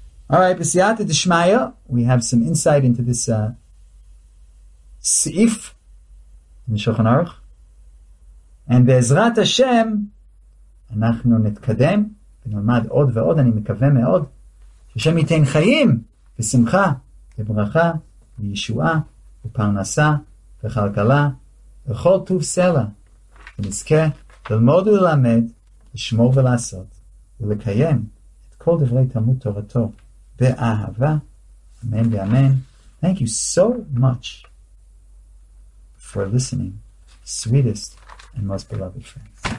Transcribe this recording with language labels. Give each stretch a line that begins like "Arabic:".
English: All right, B'siyata D'Shmaya, we have some insight into this Si'if in the Shulchan Aruch.
Hebrew: And Be'ezrat Hashem, Anachnu Netkadem. ונלמד עוד ועוד, אני מקווה מאוד, ששם ייתן חיים ושמחה וברכה וישועה ופרנסה וכלכלה וכל טוב סלע, ונזכה ללמוד וללמד, לשמור ולעשות, ולקיים את כל דברי תלמוד תורתו באהבה, אמן ואמן.
English: Thank you so much for listening, sweetest and most beloved friend.